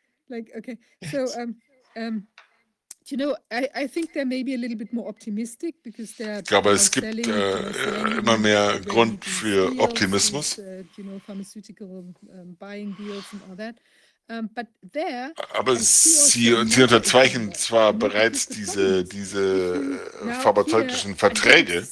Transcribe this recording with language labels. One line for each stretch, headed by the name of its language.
English: Like, okay, so, you know, I think they're maybe a little bit more optimistic because they're.
German: Ich glaube, es gibt immer mehr Grund für Optimismus.
English: You know, pharmaceutical buying deals and all that. But there.
German: Aber sie unterzeichnen zwar bereits diese pharmazeutischen Verträge.